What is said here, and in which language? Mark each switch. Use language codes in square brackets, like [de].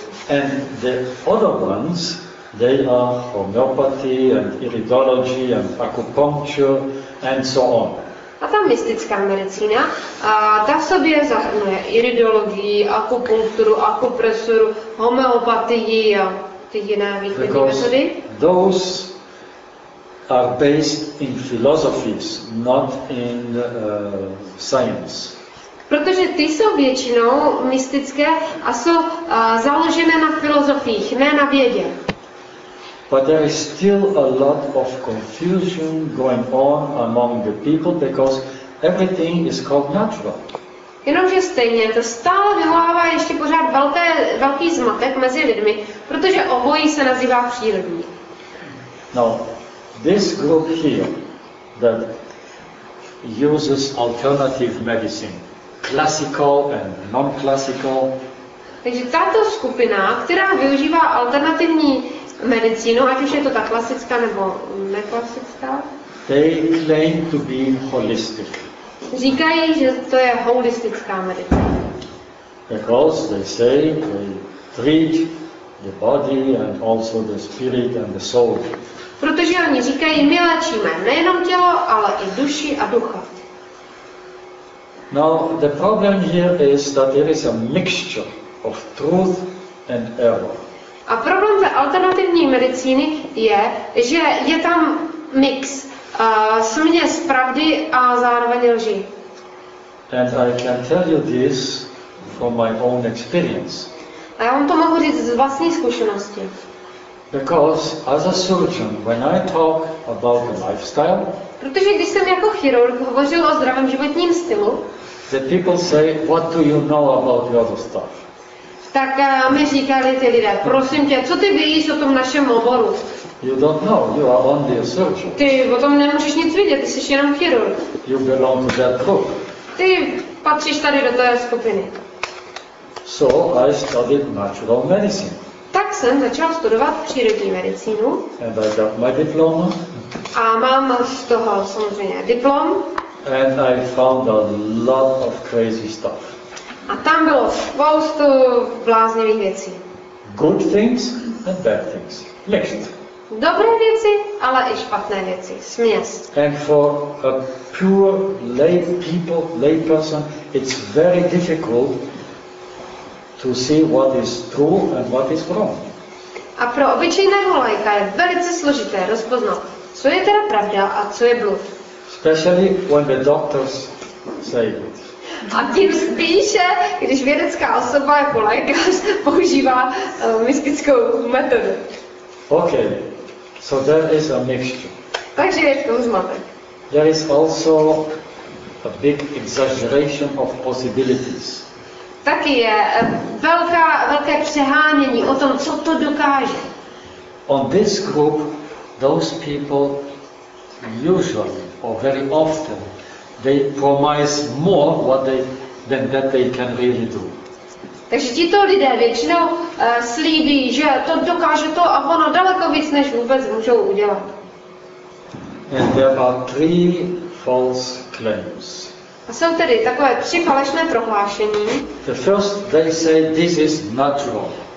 [en] And the other ones, they are homeopathy and iridology and acupuncture and so on. [cs] A ta mystická medicína, a ta v sobě zahrnuje iridologii, akupunkturu, akupresuru, homeopatii a ty jiné výchovní metody. [en] Those are based in philosophies, not in science. [cs] Protože ty jsou většinou mystické a jsou založené na filozofiích, ne na vědě. [en] But there is still a lot of confusion going on among the people because everything is called natural. [cs] Jenomže stejně to stále vyvolává ještě pořád velký zmatek mezi lidmi, protože obojí se nazývá přírodní. [en] Now, this group here that uses alternative medicine, classical and non-classical. [cs] Takže tato skupina, která využívá alternativní medicínu, ať už je to ta klasická nebo neklasická. [en] They claim to be holistic. [cs] Říkají, že to je holistická medicína. [en] Because they say they treat the body and also the spirit and the soul. [cs] Protože oni říkají, my léčíme nejenom tělo, ale i duši a ducha. [en] Now the problem here is that there is a mixture of truth and error. [cs] A problém ve alternativní medicíny je, že je tam mix směs pravdy a zároveň lži. [en] And I can tell you this from my own experience. [cs] A já vám to mohu říct z vlastní zkušenosti. [en] Because as a surgeon, when I talk about the lifestyle, [cs] protože když jsem jako chirurg hovořil o zdravém životním stylu, [en] the people say, what do you know about the other stuff? [cs] Tak mi říkali ty lidé, prosím tě, co ty víš o tom našem oboru? [en] You don't know, you are only a surgeon. [cs] Ty o tom nemůžeš nic vidět, ty jsi jenom chirurg. [en] You belong to that group. [cs] Ty patříš tady do té skupiny. [en] So I studied natural medicine. [cs] Tak jsem začal studovat přírodní medicínu. [en] And I got my diploma. [cs] A mám z toho samozřejmě diplom. [en] And I found a lot of crazy stuff. [cs] A tam bylo spoustu bláznivých věcí. [en] Good things and bad things. Mixed. [cs] Dobré věci, ale i špatné věci. Směs. [en] And for a pure lay people, lay person, it's very difficult to see what is true and what is wrong. [cs] A pro obyčejného laika je velice složité rozpoznat, co je teda pravda a co je blud. [en] Especially when the doctors say it. [cs] A tím spíše, když vědecká osoba jako lékař používá mystickou metodu. [en] Okay, so there is a mixture. [cs] Takže je to zmatek. [en] There is also a big exaggeration of possibilities. [cs] Taky je velké přehánění o tom, co to dokáže. [en] On this group, those people usually or very often they promise more what they than that they can really do. [cs] Takže tito lidé většinou slíbí, že to dokáže to a ono daleko víc, než vůbec můžou udělat. [en] And there are three false claims. [cs] A jsou tedy takové tři falešné prohlášení. [en] The first they say this is natural.